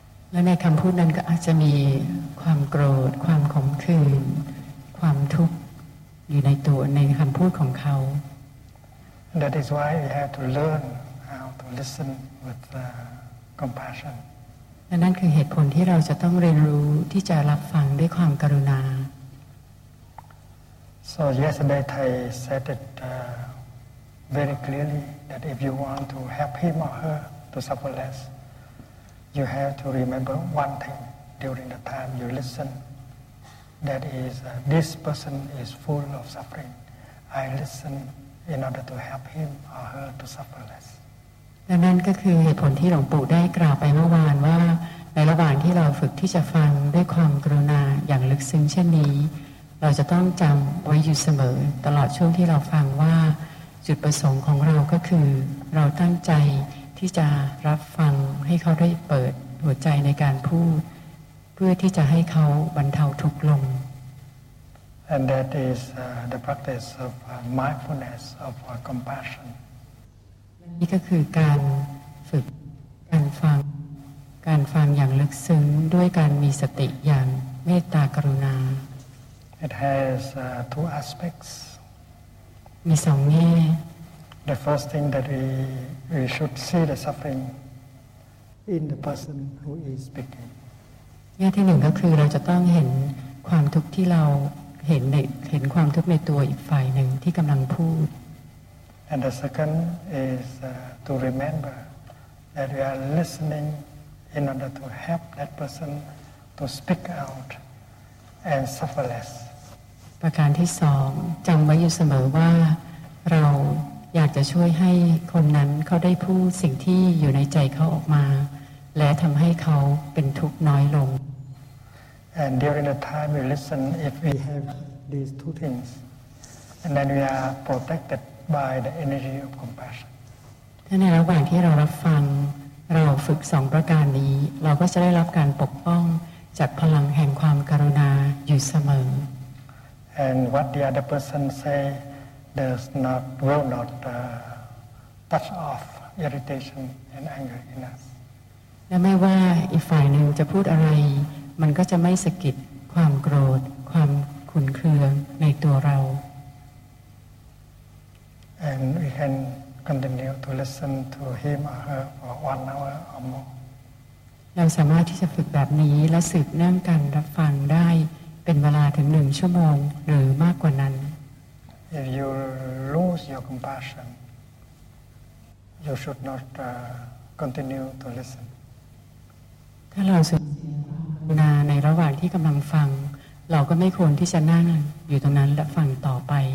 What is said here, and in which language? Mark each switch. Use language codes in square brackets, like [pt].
[th] และในคำพูดนั้นก็อาจจะมีความโกรธความขมขื่นความทุกข์อยู่ในตัวในคำพูดของเขา [en] That is why we have to learn how to listen with compassion. [th] และนั่นคือเหตุผลที่เราจะต้องเรียนรู้ที่จะรับฟังด้วยความกรุณา [en] So yesterday Thai said it very clearly that if you want to help him or her to suffer less you have to remember one thing during the time you listen that is this person is full of suffering I listen in order to help him or her to suffer less [th] และนั่นก็คือเหตุผลที่หลวงปู่ได้กล่าวไปเมื่อวานว่าในระหว่างที่เราฝึกที่จะฟังด้วยความกรุณาอย่างลึกซึ้งเช่นนี้เราจะต้องจำไว้อยู่เสมอตลอดช่วงที่เราฟังว่าจุดประสงค์ของเราก็คือเราตั้งใจที่จะรับฟังให้เขาได้เปิดหัวใจในการพูดเพื่อที่จะให้เขาบรรเทาทุกข์ลง [en] And that is the practice of mindfulness of compassion [th] นี่ก็คือการฝึกการฟังอย่างลึกซึ้งด้วยการมีสติอย่างเมตตากรุณา [en] It has two aspects [th] มีสองแง่ [en] The first thing that we should see the suffering in the person who is speaking [th] แง่ที่หนึ่งก็คือเราจะต้องเห็นความทุกข์ที่เราเห็นความทุกข์ในตัวอีกฝ่ายหนึ่งที่กำลังพูด [en] And the second is to remember that we are listening in order to help that person to speak out and suffer less. [th] ประการที่สองจำไว้อยู่เสมอว่าเราอยากจะช่วยให้คนนั้นเขาได้พูดสิ่งที่อยู่ในใจเขาออกมาและทำให้เขาเป็นทุกข์น้อยลง [en] And during the time we listen, if we have these two things, and then we are protected by the energy of compassion. [th] ถ้าในระหว่างที่เรารับฟังเราฝึกสองประการนี้เราก็จะได้รับการปกป้องจากพลังแห่งความกรุณาอยู่เสมอ [en] And what the other person say does not will not touch off irritation and anger in us. [th] และไม่ว่าอีกฝ่ายหนึ่งจะพูดอะไรมันก็จะไม่สะกิดความโกรธความขุ่นเคืองในตัวเรา [en] And we can continue to listen to him or her for 1 hour or more. [th] เราสามารถที่จะฝึกแบบนี้และสืบเนื่องกันรับฟังได้เป็นเวลาถึง1 ชั่วโมงหรือมากกว่านั้น [en] If you lose your compassion, you should not continue to listen. [th] ถ้าเราสูญนาในระหว่างที่กำลังฟังเราก็ไม่ควรที่จะนั่งอยู่ตรงนั้นและฟังต่อไป